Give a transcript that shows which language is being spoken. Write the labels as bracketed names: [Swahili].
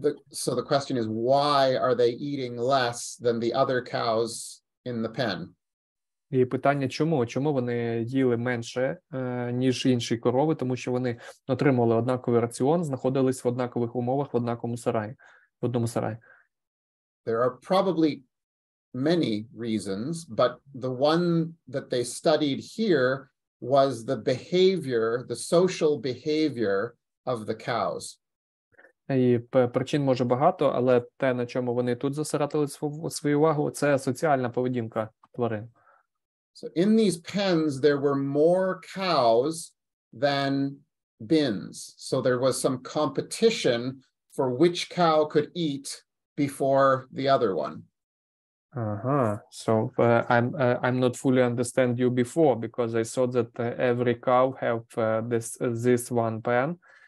[English] So the question is, why are they eating less than the other cows in the pen? [Ukrainian] І питання, чому? Чому вони їли менше, ніж інші корови? Тому що вони отримували однаковий раціон, знаходились в однакових умовах, в одному сараї. [English] There are probably many reasons, but the one that they studied here was the behavior, the social behavior of the cows. [Ukrainian] І причин може багато, але те, на чому вони тут зосередили свою увагу, це соціальна поведінка тварин. [English] So in these pens there were more cows than bins. So there was some competition for which cow could eat before the other one. I'm not fully understand you before, because I saw that every cow have this one pen.